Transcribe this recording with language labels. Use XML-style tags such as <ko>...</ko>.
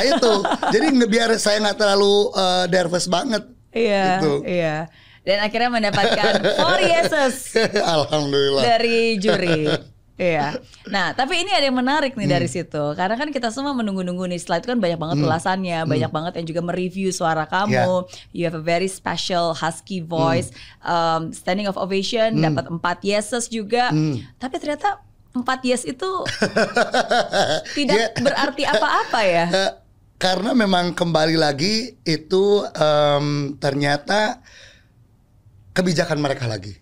<id>Ya itu. Jadi biar saya nggak terlalu nervous banget. Iya. Dan akhirnya mendapatkan 4 yeses. Alhamdulillah. Dari juri. Iya. Nah, tapi ini ada yang menarik nih dari situ. Karena kan kita semua menunggu-nunggu nih. Setelah itu kan banyak banget ulasannya. Banyak banget yang juga mereview suara kamu.</id> <en>You have a very special husky voice. Standing of ovation.</en> <id>Dapat 4 yeses juga. Tapi ternyata 4 yes itu tidak berarti apa-apa ya. Karena memang kembali lagi itu ternyata kebijakan mereka lagi.</id>